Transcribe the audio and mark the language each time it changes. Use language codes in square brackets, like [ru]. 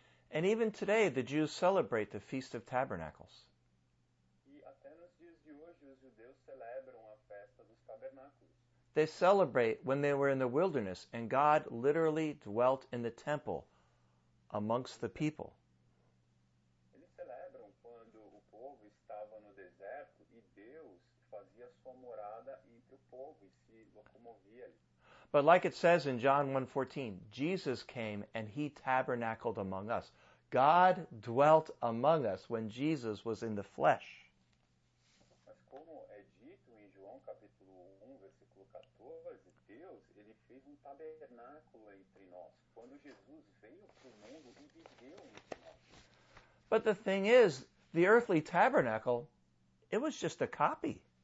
[en] And even today, the Jews celebrate the Feast of Tabernacles. [pt] E até nos dias de hoje, os judeus celebram a festa dos tabernáculos. [en] They celebrate when they were in the wilderness and God literally dwelt in the temple amongst the people. [pt] Eles celebram quando o povo estava no deserto e Deus fazia sua morada entre o povo e se locomovia ali. [en] But like it says in John 1:14, Jesus came and he tabernacled among us. God dwelt among us when Jesus was in the flesh. [pt] Mas como é dito em João capítulo 1, versículo 14, Deus, ele fez um tabernáculo entre nós quando Jesus veio pro mundo e viveu entre nós. [en] But the thing is, the earthly tabernacle, it was just a copy.